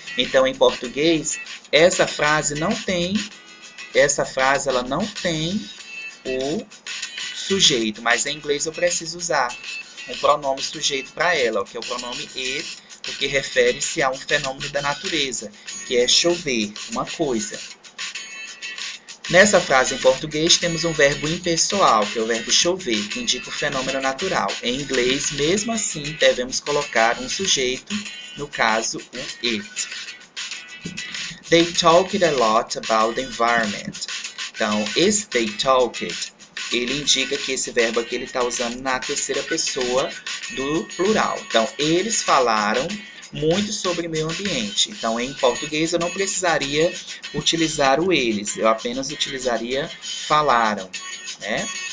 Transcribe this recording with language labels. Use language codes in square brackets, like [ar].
[pt] Então, em português, essa frase não tem. Essa frase ela não tem o sujeito, mas em inglês eu preciso usar um pronome sujeito para ela, que é o pronome it, porque refere-se a um fenômeno da natureza, que é chover, uma coisa. Nessa frase em português, temos um verbo impessoal, que é o verbo chover, que indica o fenômeno natural. Em inglês, mesmo assim, devemos colocar um sujeito, no caso, o it. [en] They talked a lot about the environment. [pt] Então, [en] is they talked? [pt] Ele indica que esse verbo aqui ele está usando na terceira pessoa do plural. Então, eles falaram muito sobre meio ambiente. Então, em português, eu não precisaria utilizar o eles. Eu apenas utilizaria falaram, né?